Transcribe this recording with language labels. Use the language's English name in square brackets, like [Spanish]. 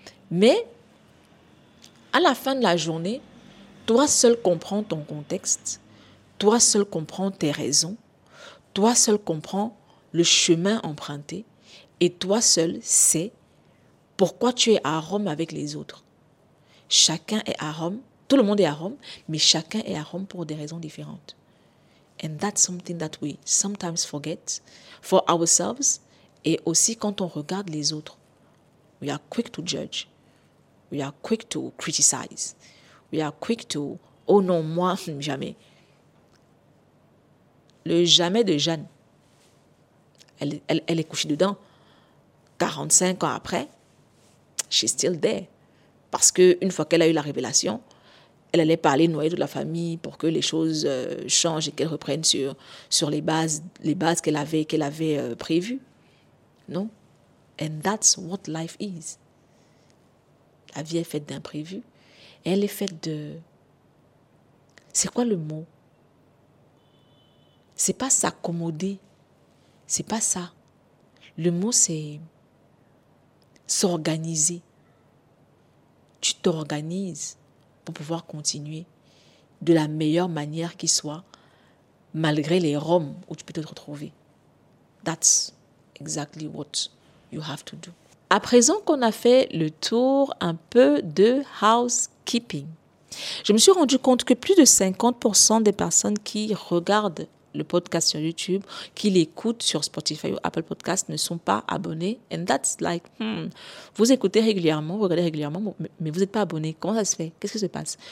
[French] Mais, à la fin de la journée, toi seul comprends ton contexte, toi seul comprends tes raisons, toi seul comprends le chemin emprunté, et toi seul sais pourquoi tu es à Rome avec les autres. Chacun est à Rome, tout le monde est à Rome, mais chacun est à Rome pour des raisons différentes. [English] And that's something that we sometimes forget for ourselves. [French] Et aussi, quand on regarde les autres, [English] we are quick to judge. We are quick to criticize. We are quick to, [French] oh non, moi, jamais. Le jamais de Jeanne, elle est couchée dedans. 45 ans après, [English] she's still there. [French] Parce qu'une fois qu'elle a eu la révélation, elle allait parler noyer toute la famille pour que les choses changent et qu'elle reprenne sur les bases qu'elle avait prévues. Non? [English] And that's what life is. [French] La vie est faite d'imprévus. Elle est faite de... C'est quoi le mot? C'est pas s'accommoder. C'est pas ça. Le mot, c'est s'organiser. Tu t'organises pour pouvoir continuer de la meilleure manière qui soit, malgré les roms où tu peux te retrouver. [English] That's exactly what you have to do. [French] À présent qu'on a fait le tour un peu de housekeeping, je me suis rendu compte que plus de 50% des personnes qui regardent le podcast sur YouTube, qui l'écoutent sur Spotify ou Apple Podcast, ne sont pas abonnés. [English] And that's like, [French] vous écoutez régulièrement, vous regardez régulièrement, mais vous n'êtes pas abonné. Comment ça se fait? Qu'est-ce qui se passe?